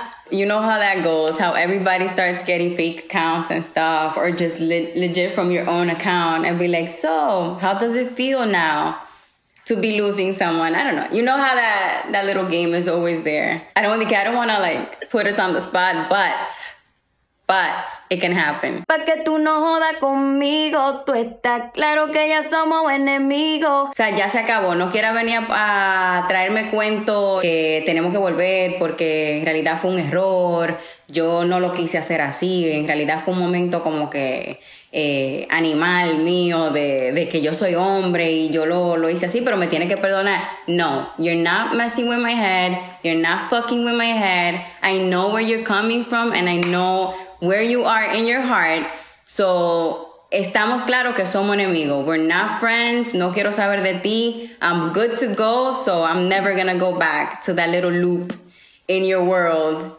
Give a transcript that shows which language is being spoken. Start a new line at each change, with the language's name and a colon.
English: You know how that goes, how everybody starts getting fake accounts and stuff, or just legit from your own account, and be like, so, how does it feel now to be losing someone? I don't know. You know how that little game is always there. I don't want to like put us on the spot, but it can happen.
Spanish: Pa que tú no joda conmigo, tú está claro que ya somos enemigos. O sea, ya se acabó. No quiera venir a traerme cuento que tenemos que volver porque en realidad fue un error. Yo no lo quise hacer así. En realidad fue un momento como que animal mío de que yo soy hombre y yo lo hice así, pero me tiene que perdonar.
English: No, you're not messing with my head. You're not fucking with my head. I know where you're coming from and I know where you are in your heart.
Spanish: So, estamos claros que somos enemigos.
English: We're not friends.
Spanish: No quiero saber de ti.
English: I'm good to go. So, I'm never gonna go back to that little loop in your world.